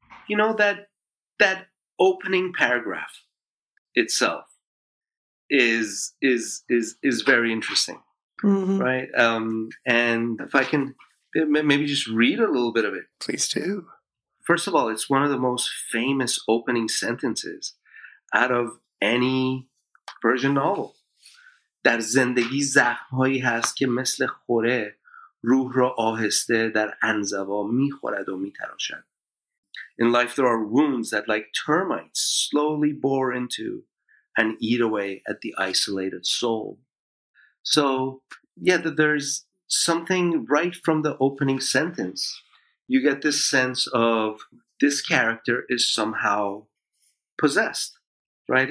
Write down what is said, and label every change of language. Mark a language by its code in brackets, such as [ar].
[en] You know, that opening paragraph itself is very interesting, mm-hmm. right? And if I can maybe just read a little bit of it. Please do. First of all, it's one of the most famous opening sentences out of any Persian novel. [fa] در زندگی زخم‌هایی هست که مثل خوره روح را آهسته در انزوا می‌خورد و می‌تراشد. [en] In life, there are wounds that, like termites, slowly bore into and eat away at the isolated soul. So, yeah, there's something right from the opening sentence. You get this sense of this character is somehow possessed, right?